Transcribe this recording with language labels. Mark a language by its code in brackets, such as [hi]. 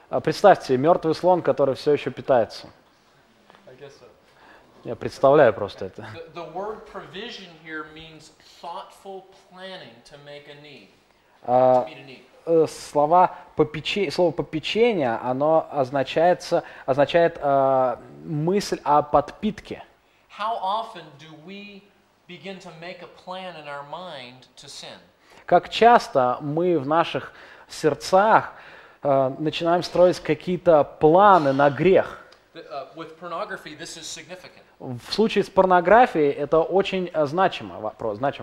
[ru] Представьте, мертвый слон, который все еще питается. [en] So. [ru] Я представляю просто это. [en] The word provision here means thoughtful planning to make a need. [ru] Слово попечение, оно означает мысль о подпитке. [en] How often do we begin to make a plan in our mind to sin? [ru] Как часто мы в наших сердцах начинаем строить какие-то планы на грех. В случае с порнографией это очень значимый вопрос.